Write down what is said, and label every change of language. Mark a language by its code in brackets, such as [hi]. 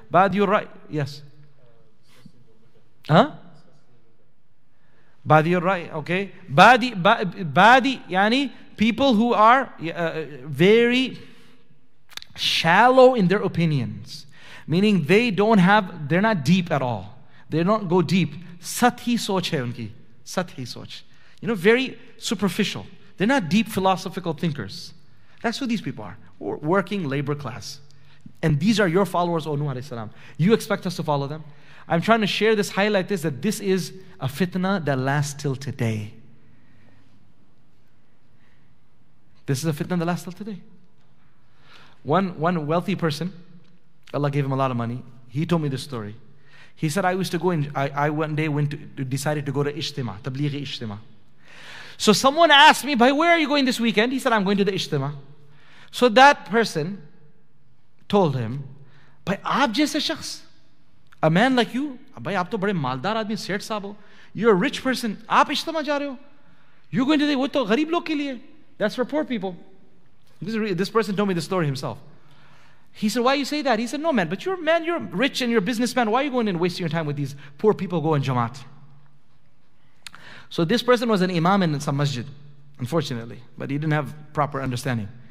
[en] Badiur Rai. Yes. Huh? Badiur Rai. Okay. Badi, yani people who are very shallow in their opinions. Meaning they're not deep at all. They don't go deep. [ur] سطحی سوچ ہے ان کی، سطحی سوچ۔ [en] You know, very superficial. They're not deep philosophical thinkers. That's who these people are. Working labor class. And these are your followers, O Nuh alayhi salam. You expect us to follow them? I'm trying to share this, highlight this, that this is a fitna that lasts till today. This is a fitna that lasts till today. One wealthy person, Allah gave him a lot of money, he told me this story. He said, I decided to go to Ishtima, Tablighi Ishtima. So someone asked me, "By where are you going this weekend?" He said, "I'm going to the Ishtima." So that person told him, [ur] "By آپ جیسے شخص, [en] a man like you, [ur] بھائی آپ تو بڑے مالدار آدمی، سیٹھ صاب ہو, [en] you're a rich person, [ur] آپ اجتماع جا رہے ہو, [en] you're going to the, [ur] وہ تو غریب لوگ کے لیے, [en] that's for poor people." This person told me the story himself. He said, "Why you say that?" He said, "No man, but you're a man, you're rich and you're a businessman. Why are you going and wasting your time with these poor people going Jamaat?" So this person was an imam in some masjid, unfortunately, but he didn't have proper understanding.